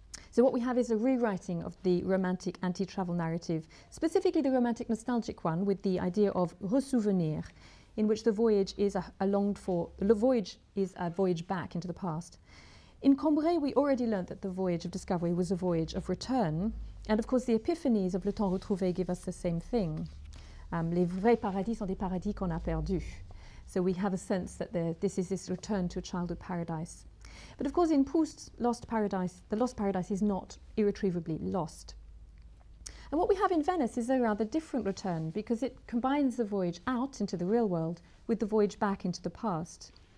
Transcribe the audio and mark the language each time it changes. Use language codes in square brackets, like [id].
[en] So what we have is a rewriting of the romantic anti-travel narrative, specifically the romantic nostalgic one with the idea of ressouvenir, in which the voyage is a voyage back into the past. In Cambrai, we already learned that the voyage of discovery was a voyage of return, and of course the epiphanies of Le Temps Retrouvé give us the same thing. [fr] Les vrais paradis sont des paradis qu'on a perdus. [en] So we have a sense that this is this return to a childhood paradise. But of course, in Proust's Lost Paradise, the Lost Paradise is not irretrievably lost. And what we have in Venice is a rather different return, because it combines the voyage out into the real world with the voyage back into the past.